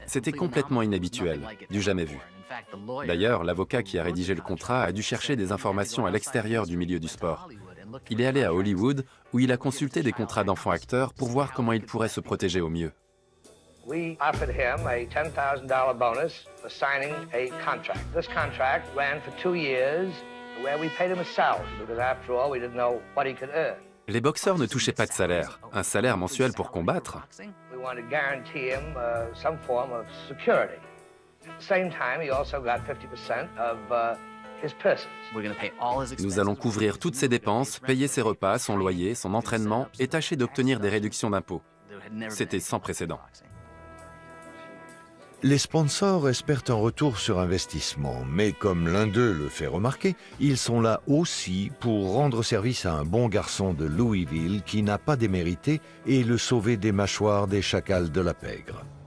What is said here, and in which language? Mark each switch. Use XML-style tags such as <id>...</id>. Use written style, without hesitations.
<fr>C'était complètement inhabituel, du jamais vu. D'ailleurs, l'avocat qui a rédigé le contrat a dû chercher des informations à l'extérieur du milieu du sport. Il est allé à Hollywood, où il a consulté des contrats d'enfants acteurs pour voir comment il pourrait se protéger au mieux.</fr> <en>We offered him a $10,000 bonus for signing a contract. This contract ran for 2 years, where we paid him a salary, because after all, we didn't know what he could earn.</en> <fr>Les boxeurs ne touchaient pas de salaire, un salaire mensuel pour combattre.</fr> <en>We wanted to guarantee him some form of security. At the same time, he also got 50% of his purses.</en> <fr>Nous allons couvrir toutes ses dépenses, payer ses repas, son loyer, son entraînement et tâcher d'obtenir des réductions d'impôts. C'était sans précédent. Les sponsors espèrent un retour sur investissement, mais comme l'un d'eux le fait remarquer, ils sont là aussi pour rendre service à un bon garçon de Louisville qui n'a pas démérité et le sauver des mâchoires des chacals de la pègre.</fr>